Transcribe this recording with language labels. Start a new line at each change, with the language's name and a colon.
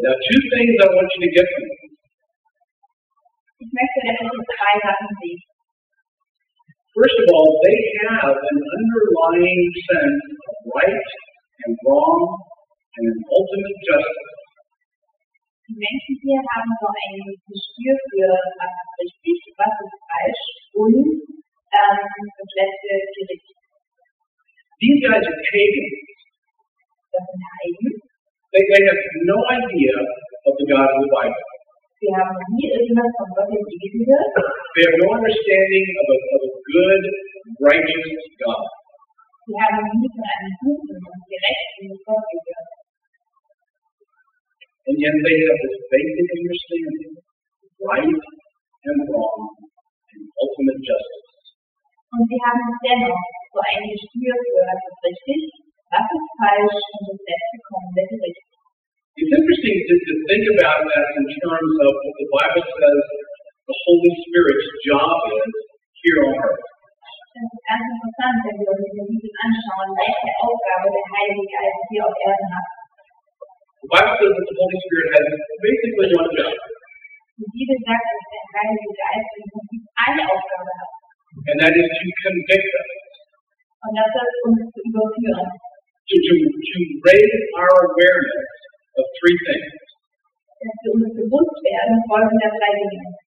English: Now, two things I want you to get from this. First of all, they have an underlying sense of right and wrong and an ultimate justice.
German: Die Menschen hier haben so ein Gespür für was ist richtig, was ist falsch und das letzte Gericht.
English: These guys are pagans.
German: Das sind Heiden.
English: They have no idea of the God of the Bible.
German: Sie haben nie irgendwas von Gott im Leben gehört.
English: They have no understanding of a good, righteous God.
German: Sie haben nie von einem guten und gerechten Gott gehört.
English: And yet they have this basic understanding of right and wrong and ultimate justice.
German: Und sie haben dennoch so ein Gespür für was ist richtig, was ist falsch und das letzte kommende Gericht.
English: It's interesting to think about that in terms of what the Bible says the Holy Spirit's job is here on earth.
German: Das ist ganz interessant, wenn wir uns die Bibel anschauen, welche Aufgabe der Heilige Geist hier auf Erden hat.
English: The Bible says that the Holy Spirit has basically one job.
German: Die Bibel sagt, dass der Heilige Geist im Prinzip eine Aufgabe hat.
English: And that is to convict us.
German: Und das ist uns zu überführen.
English: To raise our awareness of three things.
German: Dass wir uns bewusst werden folgender drei Dinge.